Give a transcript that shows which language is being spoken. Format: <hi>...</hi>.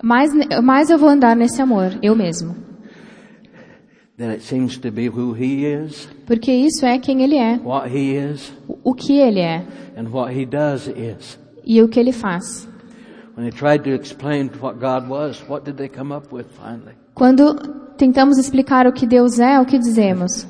<pt>mais eu vou andar nesse amor, eu mesmo.</pt> <en>That it seems to be who he is.</en> <pt>Porque isso é quem ele é.</pt> <en>What he is.</en> <pt>O que ele é.</pt> <en>And what he does is.</en> <pt>E o que ele faz.</pt> <en>When they tried to explain what God was, what did they come up with finally?</en> <pt>Quando tentamos explicar o que Deus é, o que dizemos?</pt>